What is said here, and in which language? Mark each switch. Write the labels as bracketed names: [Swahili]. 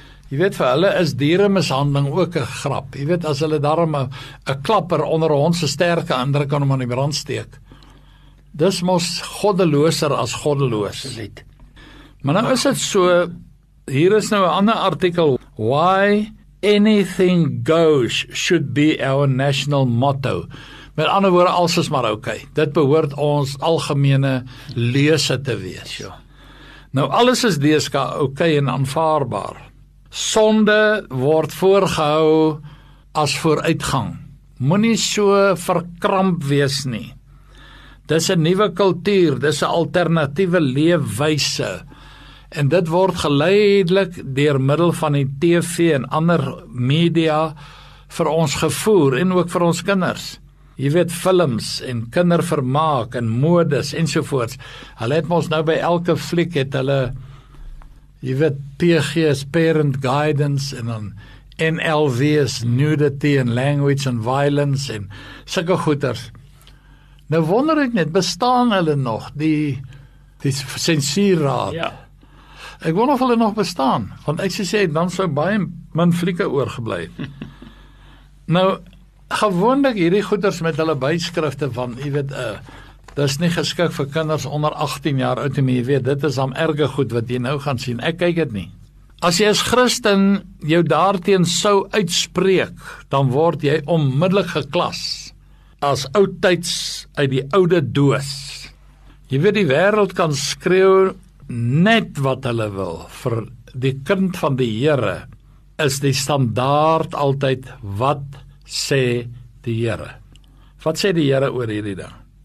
[Afrikaans] Jy weet, vir hulle is dieremishandeling ook 'n grap. Jy weet, as hulle daarom 'n klapper onder 'n hond se sterke ander kan om aan die brand steek. Dis mos goddeloser as goddeloos. Maar nou is dit so, hier is nou 'n ander artikel. [English] Why anything goes should be our national motto. [Afrikaans] Met ander woorde, alles is maar okay. Dit behoort ons algemene lese te wees. Nou, alles is deeskaar okay en aanvaarbaar. Sonde word voorgehou as vooruitgang. Moenie so verkramp wees nie. Dis 'n nuwe kultuur, dis 'n alternatiewe leefwyse. En dit word geleidelik deur middel van die TV en ander media vir ons gevoer en ook vir ons kinders. Jy weet, films en kindervermaak en modes ensovoorts. Hulle het ons nou by elke fliek het hulle, jy weet, PG is [English] Parent Guidance, [Afrikaans] en dan NLV is [English] Nudity and Language and Violence, [Afrikaans] en sulke goeters. Nou wonder ek net, bestaan hulle nog, die sensuurraad? Ja. Ek wonder of hulle nog bestaan, want ek sê, dan sou baie min flieke oorgebly. Nou, gewoonlik hierdie goeters met hulle byskrifte van, jy weet, dis nie geskik vir kinders onder 18 jaar oud, maar jy weet, dit is dan erge goed wat jy nou gaan sien. Ek kyk dit nie. As jy as Christen jou daarteen sou uitspreek, dan word jy onmiddellik geklas. as oudtijds uit die oude doos. Jy weet, die wereld kan skreeuw net wat hulle wil. Vir die kind van die Here is die standaard altyd, wat sê die Here? Wat sê die Here oor hierdie ding?